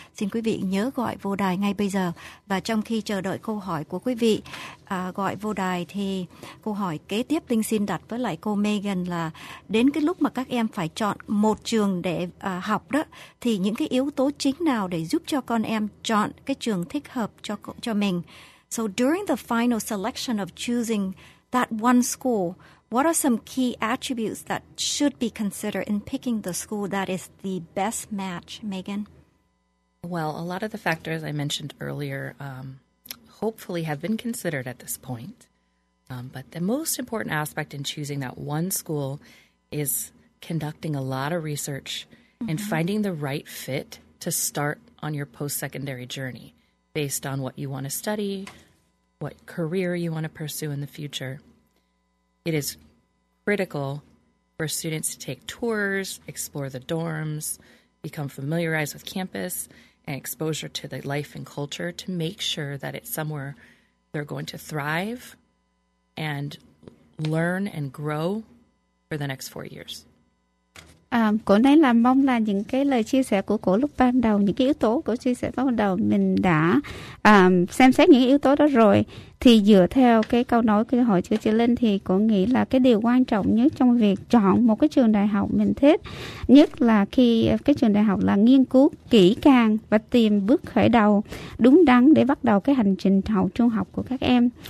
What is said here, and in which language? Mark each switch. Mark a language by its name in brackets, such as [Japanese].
[Vietnamese] Xin quý vị nhớ gọi vô đài ngay bây giờ. Và trong khi chờ đợi câu hỏi của quý vị gọi vô đài thì câu hỏi kế tiếp Linh xin đặt với lại cô Megan là đến cái lúc mà các em phải chọn một trường để học đó, thì những cái yếu tố chính nào để giúp cho con em chọn cái trường thích hợp cho mình? [English] So during the final selection of choosing that one school, what are some key attributes that should be considered in picking the school that is the best match, Megan? Well, a lot of the factors I mentioned earlier hopefully have been considered at this point. But the most important aspect in choosing that one school is conducting a lot of research and finding the right fit to start on your post-secondary journey based on what you want to study, what career you want to pursue in the future. It is critical for students to take tours, explore the dorms, become familiarized with campus and exposure to the life and culture to make sure that it's somewhere they're going to thrive and learn and grow for the next 4 years. [Vietnamese] Cô nay là mong là những cái lời chia sẻ của cô lúc ban đầu, những cái yếu tố của chia sẻ ban đầu mình đã xem xét những yếu tố đó rồi, thì dựa theo cái câu nói của hội chữ chị Linh thì cô nghĩ là cái điều quan trọng nhất trong việc chọn một cái trường đại học mình thích, nhất là khi cái trường đại học là nghiên cứu kỹ càng và tìm bước khởi đầu đúng đắn để bắt đầu cái hành trình học trung học của các em.